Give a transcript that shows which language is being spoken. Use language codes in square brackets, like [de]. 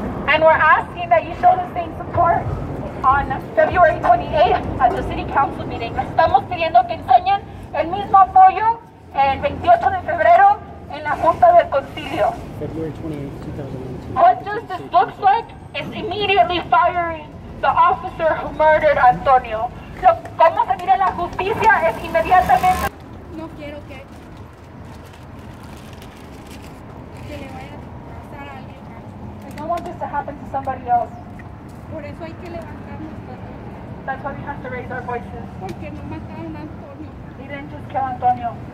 [en] And we're asking that you show the same support on February 28th at the city council meeting. [es] Estamos pidiendo que enseñen el mismo apoyo el 28 de febrero en la Junta del Concilio. [en] February 28th, 2019. What does this look like? It's immediately firing the officer who murdered Antonio. [es] Lo cómo se mira la justicia es inmediatamente. No quiero que. [en] I don't want this to happen to somebody else. [es] Por eso hay que levantarnos. [en] That's why we have to raise our voices. [es] Porque no mataron a Antonio. [en] They didn't just kill Antonio.